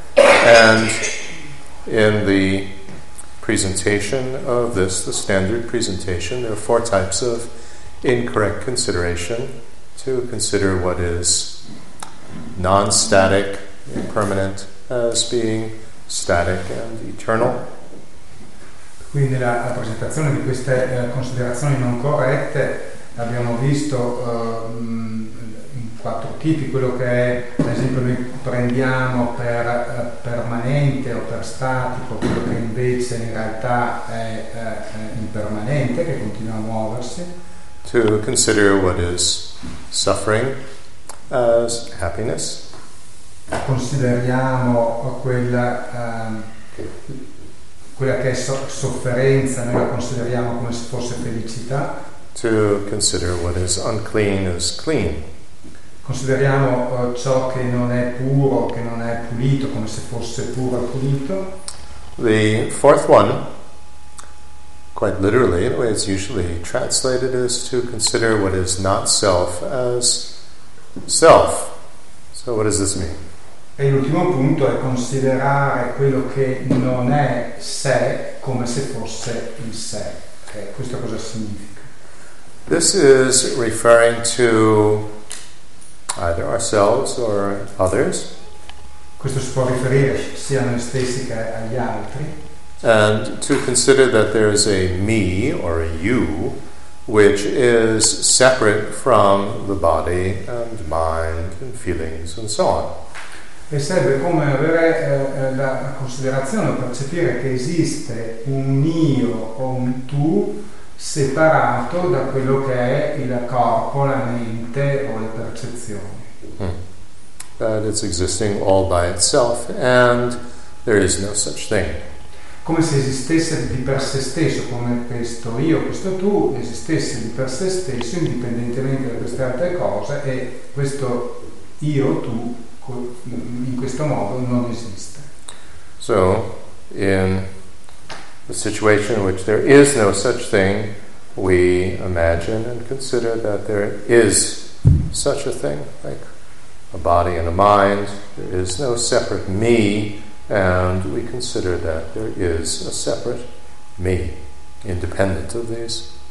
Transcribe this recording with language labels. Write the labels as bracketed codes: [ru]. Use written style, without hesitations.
[en] And in the presentation of this, the standard presentation, there are four types of incorrect consideration: to consider what is non-static, impermanent, as being static and eternal. [it] Quindi nella presentazione di queste considerazioni non corrette abbiamo visto quattro tipi, quello che è, ad esempio, noi prendiamo per permanente o per statico, quello che invece in realtà è impermanente, che continua a muoversi. [en] To consider what is suffering as happiness. [it] Consideriamo quella quella che è sofferenza, noi la consideriamo come se fosse felicità. [en] To consider what is unclean as clean. [it] Consideriamo ciò che non è puro, che non è pulito, come se fosse puro e pulito. [en] The fourth one, quite literally, the way it's usually translated, is to consider what is not self as self. So what does this mean? [it] E l'ultimo punto è considerare quello che non è sé come se fosse il sé. Questo cosa significa? [en] This is referring to either ourselves or others. [it] Questo si può riferire sia a noi stessi che agli altri. [en] And to consider that there is a me or a you which is separate from the body and mind and feelings and so on. [it] E serve come avere la considerazione, percepire che esiste un io o un tu separato da quello che è il corpo, la mente o le percezioni. [en] That it's existing all by itself and there is no such thing. [it] Come se esistesse di per se stesso, come questo io, questo tu, esistesse di per se stesso, indipendentemente da queste altre cose, e questo io, tu, in questo modo non esiste. [en] So, in the situation in which there is no such thing, we imagine and consider that there is such a thing, like a body and a mind, there is no separate me, and we consider that there is a separate me, independent of these.